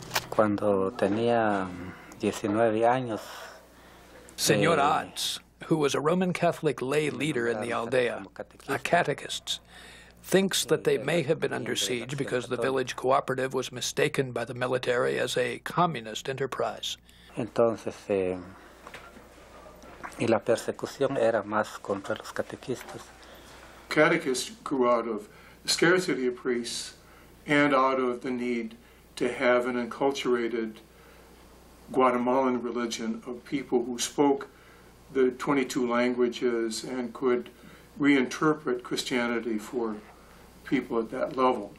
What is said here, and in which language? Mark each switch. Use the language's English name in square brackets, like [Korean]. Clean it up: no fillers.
[Spanish] Cuando tenía 19 años, [English] Señor Ots, who was a Roman Catholic lay leader in the aldea, a catechist, thinks that they may have been under siege because the village cooperative was mistaken by the military as a communist enterprise. [Spanish] Entonces, y la persecución era más contra los catequistas. [English] Catechists grew out of the scarcity of priests and out of the need to have an enculturated Guatemalan religion of people who spoke the 22 languages and could reinterpret Christianity for people at that level.